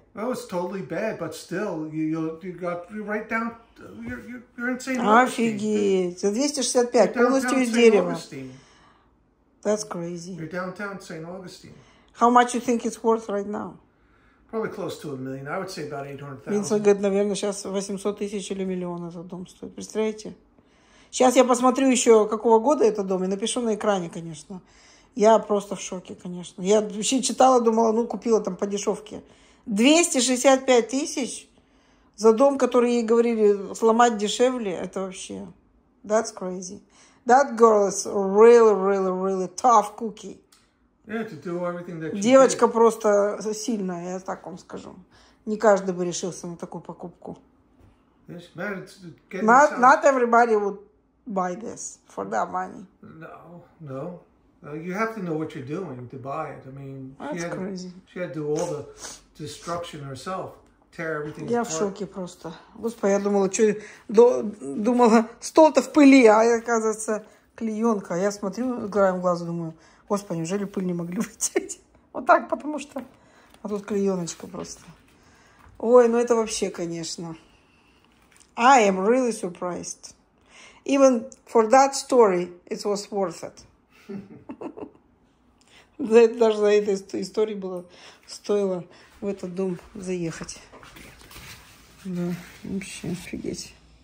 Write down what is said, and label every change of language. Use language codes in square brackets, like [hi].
[en] That was totally bad, but still, you got right down, you're in St. [ru] Augustine. Офигеть. 265, полностью из дерева. [en] That's crazy. You're downtown St. Augustine. How much you think it's worth right now? Probably close to a million. I would say about 800,000. [ru] Винсент говорит, наверное, сейчас 800 тысяч или миллион этот дом стоит. Представляете? Сейчас я посмотрю еще, какого года этот дом, и напишу на экране, конечно. Я просто в шоке, конечно. Я вообще читала, думала, ну, купила там по дешевке. 265 тысяч за дом, который ей говорили сломать дешевле, это вообще... [en] That's crazy. That girl is really, really, really tough cookie. Yeah, to do everything that she [ru] Девочка [en] did. [ru] Просто сильная, я так вам скажу. Не каждый бы решился на такую покупку. [en] Yes, man, it's getting not, not everybody would buy this for that money. No. You have to know what you're doing to buy it. I mean, That's crazy. She had to do all the destruction herself, tear everything apart. [ru] Я в шоке просто. Господи, я думала, что... Думала, стол-то в пыли, а оказывается, клеенка. Я смотрю, краем глаза, думаю, господи, неужели пыль не могли вытереть? Вот так, потому что... А тут клееночка просто. Ой, ну это вообще, конечно. [en] I am really surprised. Even for that story, it was worth it. [ru] Даже за этой историей было стоило в этот дом заехать. Да, вообще офигеть.